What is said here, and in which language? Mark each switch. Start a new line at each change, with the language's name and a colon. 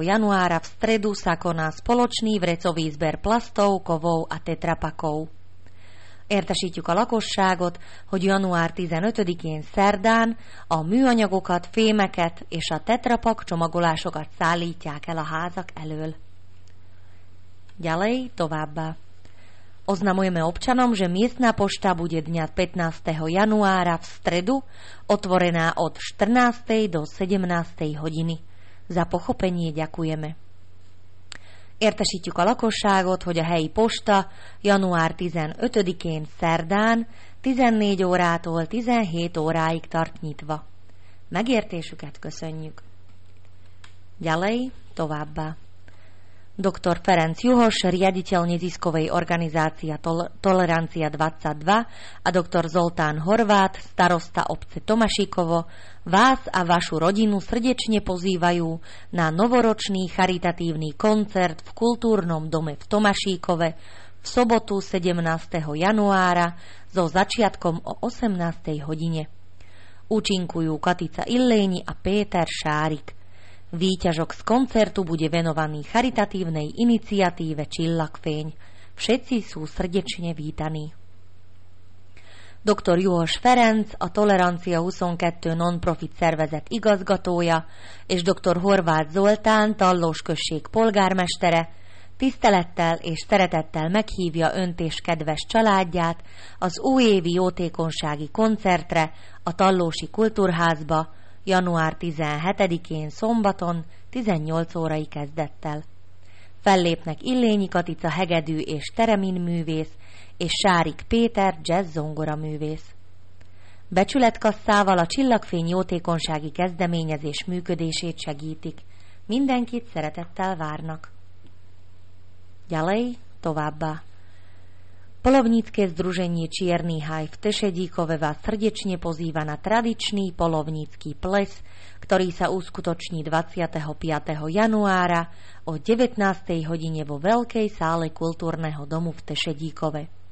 Slovak: januára v stredu sa koná spoločný vrecový zber plastov, kovov a tetrapakov.
Hungarian: Értesítjük a lakosságot, hogy január 15-én szerdán a műanyagokat, fémeket és a tetrapak csomagolásokat szállítják el a házak elől.
Slovak: Ďalej
Hungarian: továbbá.
Slovak: Oznamujeme občanom, že miestna pošta bude dňa 15. januára v stredu otvorená od 14. do 17. hodiny. Za pochopenie ďakujeme.
Hungarian: Értesítjük a lakosságot, hogy a helyi posta január 15-én szerdán 14 órától 17 óráig tart nyitva. Megértésüket köszönjük.
Slovak: Ďalej
Hungarian: továbbá.
Slovak: Dr. Ferenc Juhos, riaditeľ neziskovej organizácie Tolerancia 22 a dr. Zoltán Horvát, starosta obce Tomašikovo, vás a vašu rodinu srdečne pozývajú na novoročný charitatívny koncert v kultúrnom dome v Tomašíkove v sobotu 17. januára so začiatkom o 18. hodine. Účinkujú Katica Illéni a Péter Šárik. Výťažok z koncertu bude venovaný charitatívnej iniciatíve Čillakfény. Všetci sú srdečne vítaní. Dr.
Hungarian: Juhos Ferenc, a Tolerancia 22 non-profit szervezet igazgatója, és dr. Horváth Zoltán, Tallós község polgármestere, tisztelettel és szeretettel meghívja önt és kedves családját az újévi jótékonysági koncertre a Tallósi Kultúrházba, január 17-én szombaton 18 órai kezdettel. Fellépnek Illényi Katica hegedű és teremin művész, és Sárik Péter jazz zongora művész. Becsületkasszával a Csillagfény jótékonysági kezdeményezés működését segítik. Mindenkit szeretettel várnak. Gyalej továbbá.
Slovak: Polovnícke združenie Čierny haj v Tešedíkove vás srdečne pozýva na tradičný polovnícky ples, ktorý sa uskutoční 25. januára o 19. hodine vo Veľkej sále kultúrneho domu v Tešedíkove.